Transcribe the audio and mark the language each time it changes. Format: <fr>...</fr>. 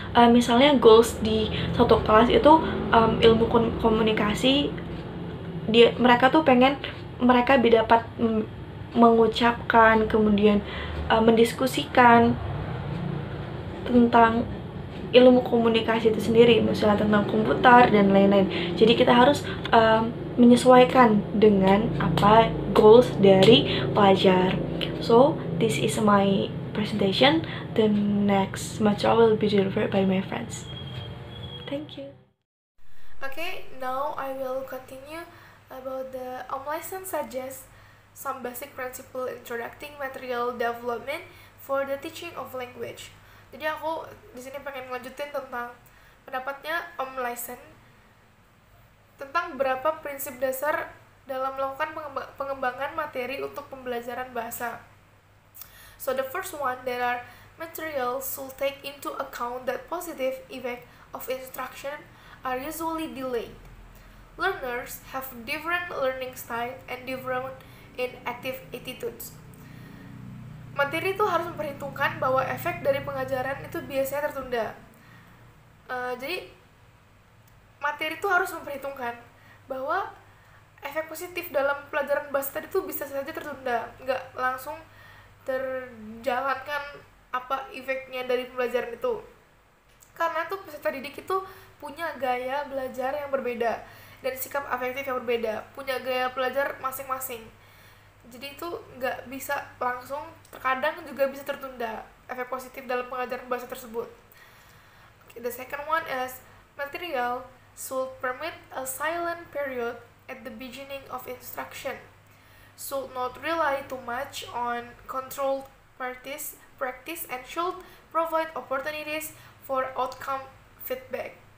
<id>Misalnya goals di satu kelas itu ilmu komunikasi, dia mereka tuh pengen mereka dapat mengucapkan, kemudian mendiskusikan tentang ilmu komunikasi itu sendiri, misalnya tentang komputer dan lain-lain. Jadi kita harus menyesuaikan dengan apa goals dari pelajar.</id> <en>So, this is my presentation. The next semester will be delivered by my friends. Thank you. Okay, now I will continue about the lesson suggest some basic principle introducing material development for the teaching of language.</en> <id>Jadi aku di sini pengen lanjutin tentang pendapatnya Om Lysen tentang beberapa prinsip dasar dalam melakukan pengembangan materi untuk pembelajaran bahasa.</id> <en>So the first one, there are materials should take into account that positive effect of instruction are usually delayed. Learners have different learning style and different in active attitudes.</en> <id>Materi itu harus memperhitungkan bahwa efek dari pengajaran itu biasanya tertunda. Jadi materi itu harus memperhitungkan bahwa efek positif dalam pelajaran bahasa tadi itu bisa saja tertunda, nggak langsung terjalankan apa efeknya dari pembelajaran itu. Karena tuh peserta didik itu punya gaya belajar yang berbeda dan sikap afektif yang berbeda, punya gaya belajar masing-masing. Jadi itu nggak bisa langsung, terkadang juga bisa tertunda efek positif dalam pengajaran bahasa tersebut.</id> <en>Okay, the second one is material should permit a silent period at the beginning of instruction. Should not rely too much on controlled practice and should provide opportunities for outcome feedback.</en>